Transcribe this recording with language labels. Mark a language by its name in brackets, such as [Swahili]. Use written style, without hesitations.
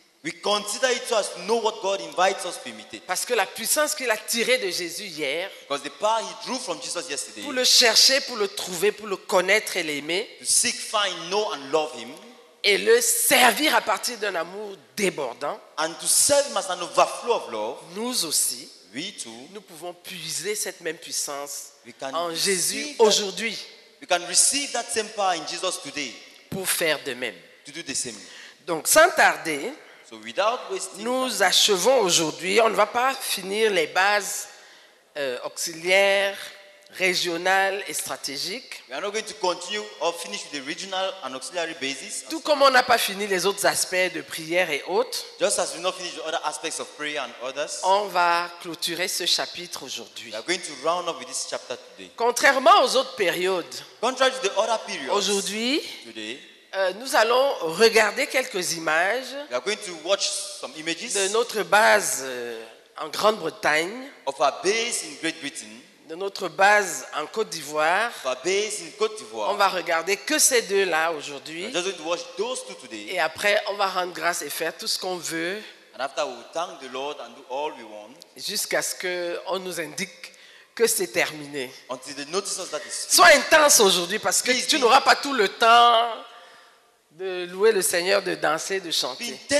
[English] We consider it as know what God invites us to imitate. [French] Parce que la puissance qu'il a tirée de Jésus hier, [English] because the power he drew from Jesus yesterday, [French] pour le chercher, pour le trouver, pour le connaître et l'aimer, [English] to seek, find, know and love him, [French] et le servir à partir d'un amour débordant, [English] and to serve him as an overflow of love, [French] nous aussi, [English] we too, [French] nous pouvons puiser cette même puissance [English] we can [French] en Jésus aujourd'hui. [English] We can receive that same power in Jesus today, [French] pour faire de même. [English] To do the same. [French] Donc, sans tarder, [English] so without wasting, [French] nous achevons aujourd'hui. On ne va pas finir les bases auxiliaires, régionales et stratégiques. [English] We are not going to continue or finish with the regional and auxiliary basis. [French] Tout comme on n'a pas fini les autres aspects de prière et autres. [English] Just as we not finish the other aspects of prayer and others. [French] On va clôturer ce chapitre aujourd'hui. [English] We are going to round up with this chapter today. [French] Contrairement aux autres périodes. [English] Contrary to the other periods. [French] Aujourd'hui. [English] Today. [French] Nous allons regarder quelques images [English] we are going to watch some images [French] de notre base en Grande-Bretagne, [English] of our base in Great Britain, [French] de notre base en Côte d'Ivoire. [English] Of our base in Côte d'Ivoire. [French] On va regarder que ces deux-là aujourd'hui. [English] We are just going to watch those two today. [French] Et après, on va rendre grâce et faire tout ce qu'on veut. [English] And after we thank the Lord and do all we want. [French] Jusqu'à ce qu'on nous indique que c'est terminé. [English] Until they notice us that it's finished. [French] Sois intense aujourd'hui parce que [English] please [French] tu n'auras pas tout le temps de louer le Seigneur, de danser, de chanter.